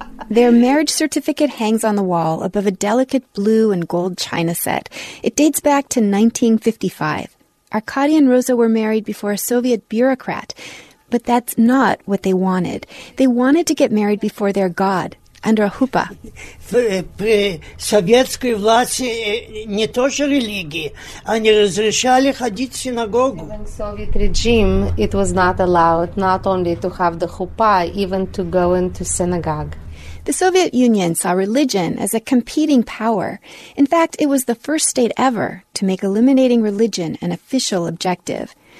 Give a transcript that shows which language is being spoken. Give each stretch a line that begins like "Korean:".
English: Their marriage certificate hangs on the wall above a delicate blue and gold china set. It dates back to 1955. Arkady and Rosa were married before a Soviet bureaucrat, but that's not what they wanted. They wanted to get married before their God. Under a chuppah.
Russian: При советской власти не то что религии, они разрешали ходить в синагогу.
English: During Soviet regime, it was not allowed not only to have the chuppah, even to go into synagogue. The Soviet Union saw religion as a competing power. In fact, it was the first state ever to make eliminating religion an official objective.